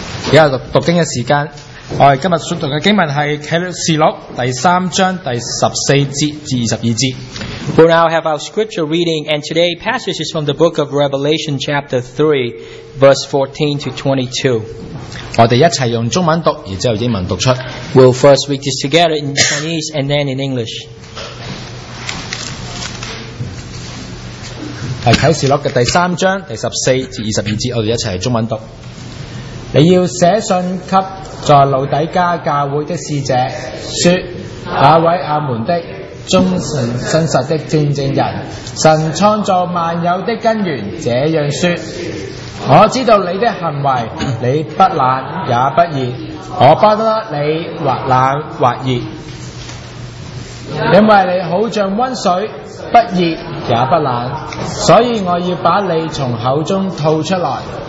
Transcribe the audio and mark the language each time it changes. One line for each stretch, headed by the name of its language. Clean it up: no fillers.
Chinese: 以下读经的时间，我们今天所读的经文是启示录第三章第十四节至二十二节。
English: We now have our scripture reading, and today passage is from the book of Revelation chapter 3, verse 14 to 22.
Chinese: 我们一起用中文读，然后英文读出。
English: We'll first read this together in Chinese and then in English.
Chinese: 是启示录的第三章第十四至二十二节，我们一起中文读。你要写信给在老底家教会的使者，说：那位阿门的忠诚信实的见证人，神创造万有的根源这样说：我知道你的行为，你不冷也不热，我巴不得你或冷或热，因为你好像温水，不热也不冷，所以我要把你从口中吐出来。